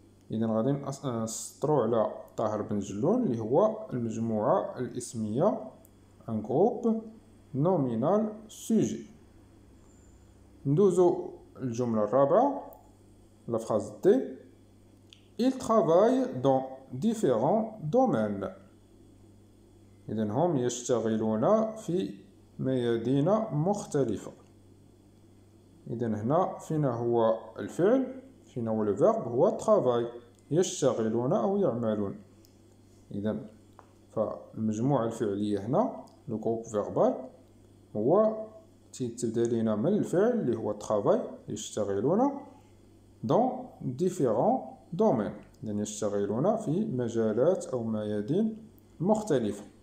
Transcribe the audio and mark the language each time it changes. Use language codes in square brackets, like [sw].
[ar] إذا غادي نسطرو على طاهر بن جلون اللي هو المجموعة الإسمية ان غروب نومينال سوجي. ندوزو الجملة الرابعة لا فراز دي. [fr] il travaille dans différents domaines. [ar] إذن هم يشتغلون في ميادين مختلفة. إذن هنا فين هو الفعل؟ فين هو الفعل؟ هو travail، يشتغلون أو يعملون. إذن فالمجموعة الفعلية هنا [fr] le groupe verbal [ar] هو تبدأ لنا من الفعل اللي هو travail، يشتغلون [fr] dans différents domaines، [ar] لأن يشتغلون في مجالات أو ميادين مختلفة.